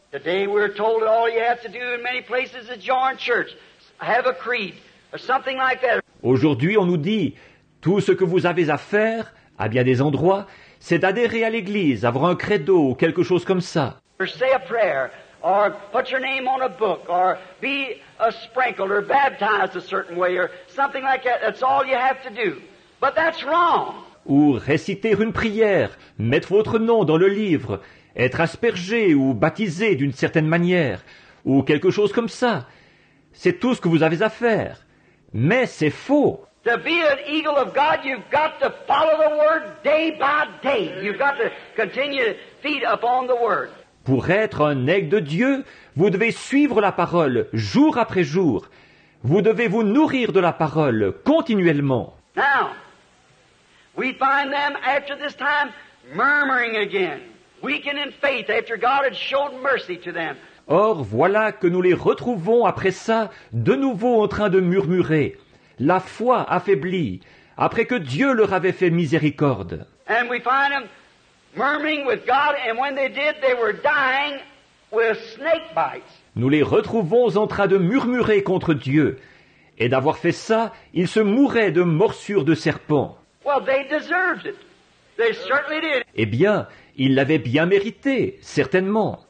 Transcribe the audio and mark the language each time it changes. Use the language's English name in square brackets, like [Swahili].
[English] Today we're told that all you have to do in many places is join church, have a creed, or something like that. [French] Aujourd'hui, on nous dit tout ce que vous avez à faire à bien des endroits, c'est d'adhérer à l'église, avoir un credo ou quelque chose comme ça. [English] Or say a prayer, or put your name on a book, or be a sprinkled or baptized a certain way, or something like that. That's all you have to do. But that's wrong. [French] Ou réciter une prière, mettre votre nom dans le livre, être aspergé ou baptisé d'une certaine manière, ou quelque chose comme ça. C'est tout ce que vous avez à faire. Mais c'est faux. [English] To be an eagle of God, you've got to follow the word day by day. You've got to continue to feed upon the word. [French] Pour être un aigle de Dieu, vous devez suivre la parole jour après jour. Vous devez vous nourrir de la parole continuellement. [English] Now, we find them after this time murmuring again, weakened in faith after God had showed mercy to them. [French] Or, voilà que nous les retrouvons après ça, de nouveau en train de murmurer. La foi affaiblie, après que Dieu leur avait fait miséricorde. [English] And we find them murmuring with God, and when they did, they were dying with snake bites. [French] Nous les retrouvons en train de murmurer contre Dieu. Et d'avoir fait ça, ils se mouraient de morsures de serpents. [English] Well, they deserved it. They certainly did. [French] Eh bien, ils l'avaient bien mérité, certainement.